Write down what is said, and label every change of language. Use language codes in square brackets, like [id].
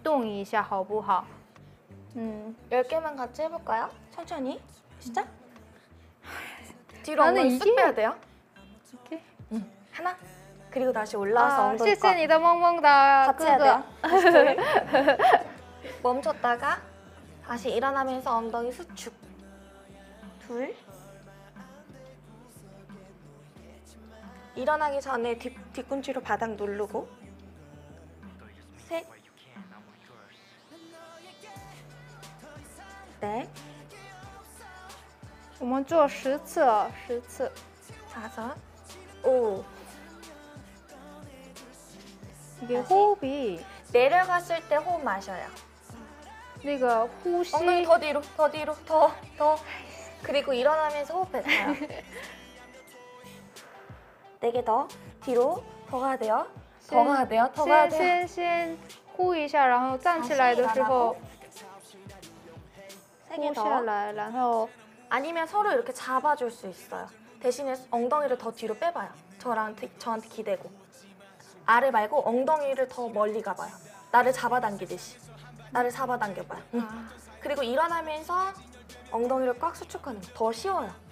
[zh] 待着看我们两个一起动一动好不好？他是很有名的，在韩国很有名的健身教师。我们很容易，很不容易就邀请他了，所以你们快点一起跟我们一起动一下好不好？ [ko] 10개만 같이 해볼까요? 천천히 시작. 뒤로 엉덩이 쓱 빼야 돼요. 이렇게. 하나 그리고 다시 올라와서 엉덩이 꽉 [zh] 谢谢你 [ko] 더 멍멍다 같이 해야 돼요? 멈췄다가 다시 일어나면서 엉덩이 수축 둘 일어나기 전에 뒤꿈치로 바닥 누르고 셋 넷 [zh] 我们做十次，十次。 [ko] 다섯 오 이게 다시. 호흡이 내려갔을 때 호흡 마셔요. 네가 호흡이 엉덩이 더 뒤로 더 뒤로 더 그리고 일어나면서 호흡했어요. 네개 더 뒤로 더 가야 돼요. 더 가야 돼요. 더 가야 돼요. [zh] 先 호흡一下, 然后 站起来的时候，호흡下来，然后 [ko] 아니면 서로 이렇게 잡아줄 수 있어요. 대신에 엉덩이를 더 뒤로 빼봐요. 저한테 기대고. 아래 말고 엉덩이를 더 멀리 가봐요. 나를 잡아당기듯이. 나를 잡아당겨봐요. 응. 그리고 일어나면서 엉덩이를 꽉 수축하는 거. 더 쉬워요.